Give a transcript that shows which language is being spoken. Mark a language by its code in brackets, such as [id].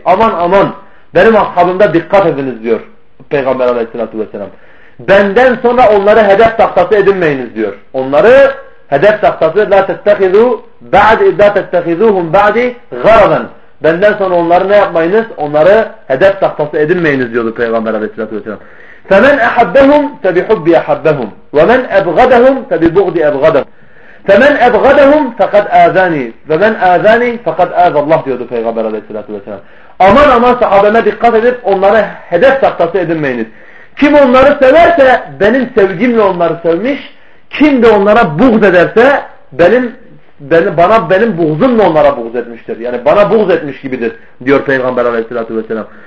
[tr] Aman aman benim ashabımda dikkat ediniz diyor Peygamber aleyhissalatü vesselam. Benden sonra onları hedef tahtası edinmeyiniz diyor. Onları hedef tahtası [ar] la tettehidu ba'di la tettehiduhum ba'di garadan. [tr] Benden sonra onları ne yapmayınız? Onları hedef tahtası edinmeyiniz diyordu Peygamber aleyhissalatü vesselam. [ar] فَمَنْ اَحَبَّهُمْ فَبِحُبِّ اَحَبَّهُمْ وَمَنْ اَبْغَدَهُمْ فَبِبُغْدِ اَبْغَدَهُمْ فَمَنْ اَبْغَدَهُمْ فَقَدْ اَذَانِي وَمَنْ اَذَانِي فَقَدْ اَذَى اللّٰهُ [tr] diyordu Peygamber aleyhissalatü vesselam. Aman aman sahabeme dikkat edip onları hedef tahtası edinmeyiniz. Kim onları severse benim sevgimle onları sevmiş, kim de onlara buğz ederse benim buğzumla onlara buğz etmiştir. Yani bana buğz etmiş gibidir diyor Peygamber aleyhissalatü vesselam.